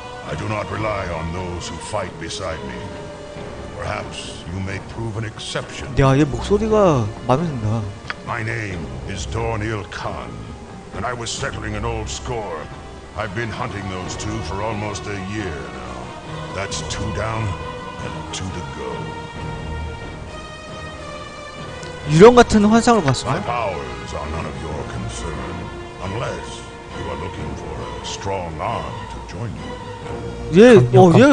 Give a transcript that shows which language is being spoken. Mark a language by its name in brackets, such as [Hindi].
[English] I do not rely on those who fight beside me. Perhaps you may prove an exception. [Korean] 야, 얘 목소리가 마음에 든다. [English] My name is Dorneil Khan, and I was settling an old score. I've been hunting those two for almost a year now. That's two down and two to go. [Korean] 유령 같은 환상을 봤어. [English] My powers are none of your concern, unless you are looking for a strong arm to join you.